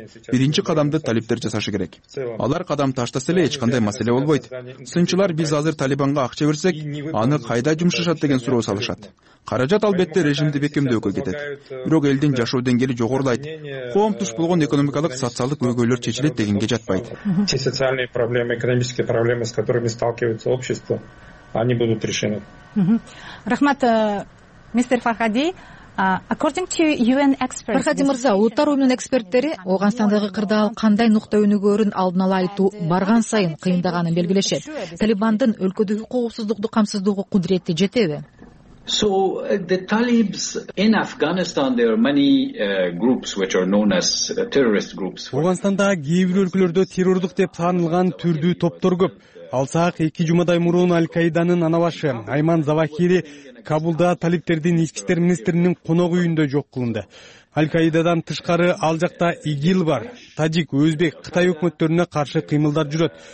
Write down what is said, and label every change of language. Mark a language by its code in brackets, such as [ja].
[ky] Биринчи кадамды талип жасашы керек. Алар кадам таштаса эле эч кандай маселе болбойт. Сынчылар биз азыр Талибанга акча берсек, аны кайда жумшашат деген суроо салышат. Каражат албетте режимди бекемдөөгө кетет. Бирок элдин жашоо деңгээли жогорулайт. Коом туш болгон экономикалык, социалдык өгөөлөр чечилет дегенге жатпайт. [ru] Те социальные проблемы, экономические проблемы, с которыми сталкивается общество, они будут решены. [ky] Рахмат, мистер Фархади. [en] According to UN experts, [ky] Фархади Мырза, Улуттар Уюмунун эксперттери Оогонстандагы кырдаал кандай нукта өнүгөрүн алдын ала айтуу барган сайын кыйындаганын белгилешет. Талибандын өлкөдөгү коопсуздукту камсыздоого кудурети жетеби? [en] So the Talibs in Afghanistan, there are many groups which are known as terrorist groups. [ky] Оогонстанда кээ бир өлкөлөрдө террордук деп таанылган түрдүү топтор көп. Алсак, 2 жумадай мурун Аль-Каиданын анабашы Айман Завахири Кабулда талиптердин ички иштер министринин коногу үйүндө жок кылынды. Аль-Каидадан тышкары ал жакта ИГИЛ бар. Тажик, өзбек, Кытай өкмөттөрүнө каршы кыймылдар жүрөт.